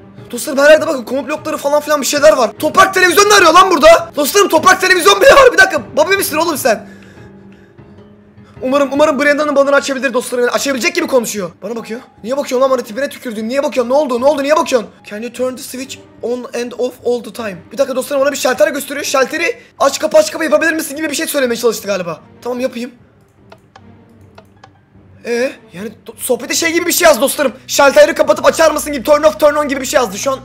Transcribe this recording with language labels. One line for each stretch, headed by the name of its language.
Turkish: Dostlarım herhalde bakın komplokları falan filan bir şeyler var. Toprak televizyon da arıyor lan burada. Dostlarım toprak televizyon bile var. Bir dakika, baba misin oğlum sen? Umarım Brianna'nın banını açabilir dostlarım. Yani açabilecek gibi konuşuyor. Bana bakıyor. Niye bakıyorsun lan bana, tipine tükürdüm. Niye bakıyorsun? Ne oldu? Niye bakıyorsun?
English: Can you turn the switch on and off all the time?
Turkish: Bir dakika dostlarım, ona bir şalter gösteriyor. Şalteri aç kapa aç kapa yapabilir misin gibi bir şey söylemeye çalıştı galiba. Tamam yapayım. Yani sohbete şey gibi bir şey yazdı dostlarım. Şalteri kapatıp açar mısın gibi,
English: turn off turn on
Turkish: gibi bir şey yazdı şu an.